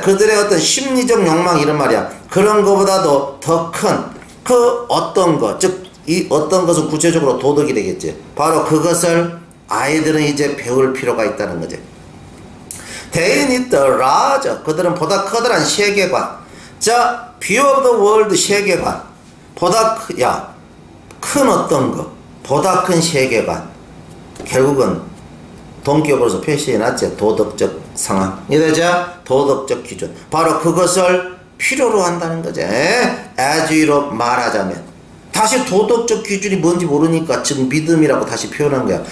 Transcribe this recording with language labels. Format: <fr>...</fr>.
<ko>그들의 어떤 심리적 욕망 이런 말이야. 그런 것보다도 더 큰 그 어떤 것, 즉 이 어떤 것은 구체적으로 도덕이 되겠지. 바로 그것을 아이들은 이제 배울 필요가 있다는 거지.</ko> <en>They need the larger.</en> <ko>그들은 보다 커다란 세계관.</ko> <en>자, view of the world 세계관.</en> <ko>보다 크, 야, 큰 어떤 것. 보다 큰 세계관. 결국은 동기업으로서 표시해놨지. 도덕적 상황. 이래죠? 도덕적 기준. 바로 그것을 필요로 한다는 거지.</ko> <en>As you</en> <ko>로 말하자면. 다시 도덕적 기준이 뭔지 모르니까 즉 믿음이라고 다시 표현한 거야.</ko>